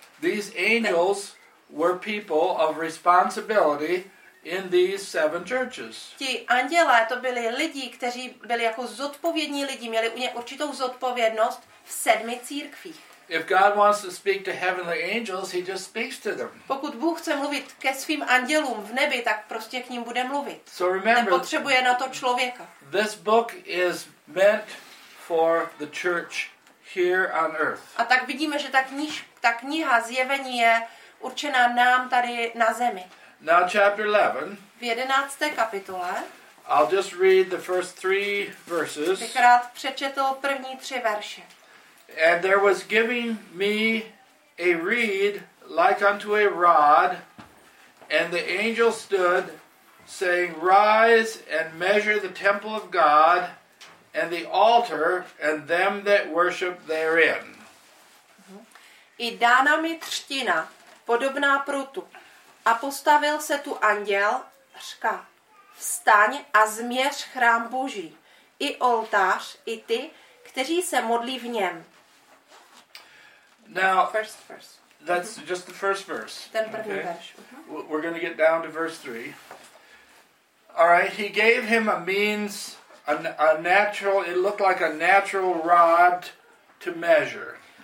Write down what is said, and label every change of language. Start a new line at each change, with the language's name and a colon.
English: These angels were people of responsibility in these seven churches.
Czech: Ti andělé to byli lidi, kteří byli jako zodpovědní lidi, měli u ně určitou zodpovědnost v sedmi církvích.
English: If God wants to speak to heavenly angels, he just speaks to them.
Czech: Pokud Bůh chce mluvit ke svým andělům v nebi, tak prostě k ním bude mluvit.
English: So remember,
Czech: nepotřebuje na to člověka.
English: This book is meant for the church here on earth.
Czech: A tak vidíme, že ta kniha Zjevení je určená nám tady na zemi.
English: Now chapter 11.
Czech: V 11. kapitole.
English: I'll just read the first three verses.
Czech: Bych rád přečetl první tři verše.
English: And there was giving me a reed like unto a rod, and the angel stood, saying, Rise and measure the temple of God, and the altar, and them that worship therein.
Czech: I dána mi třtina, podobná prutu, a postavil se tu anděl, řka, vstaň a změř chrám Boží, i oltář, i ty, kteří se modlí v něm.
English: Now, first verse. That's just the first verse.
Czech: Ten první okay. verš.
English: We're going to get down to verse 3. All right, he gave him a means, a natural, it looked like a natural rod to measure.